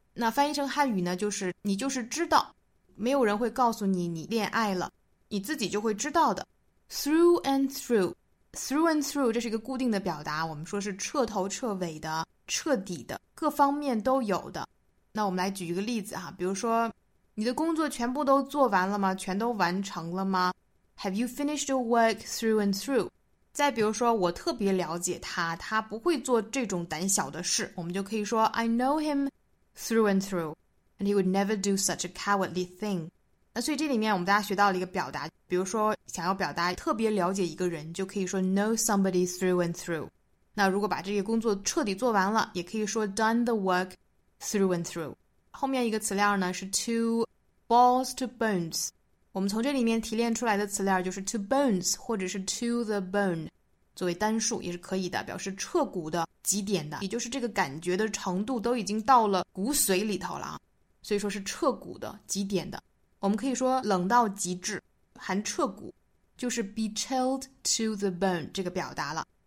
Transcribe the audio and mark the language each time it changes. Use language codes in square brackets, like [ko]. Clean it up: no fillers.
[zh] 那翻译成汉语呢，就是你就是知道，没有人会告诉你你恋爱了，你自己就会知道的。 [en] through and through, through and through [zh] 这是一个固定的表达，我们说是彻头彻尾的，彻底的，各方面都有的。那我们来举一个例子哈，比如说你的工作全部都做完了吗？全都完成了吗？ [en] Have you finished your work through and through? [zh] 再比如说我特别了解他，他不会做这种胆小的事，我们就可以说 [en] I know him through and through and he would never do such a cowardly thing. [zh] 那所以这里面我们大家学到了一个表达，比如说想要表达特别了解一个人，就可以说 [en] know somebody through and through. [zh] 那如果把这个工作彻底做完了，也可以说 [en] done the work through and through。 [zh] 后面一个词链呢是 [en] to balls to bones， [zh] 我们从这里面提炼出来的词链就是 to bones 或者是 to the bone， 作为单数也是可以的，表示彻骨的极点的，也就是这个感觉的程度都已经到了骨髓里头了，所以说是彻骨的极点的，我们可以说冷到极致含彻骨，就是 [en] be chilled to the bone [zh] 这个表达了，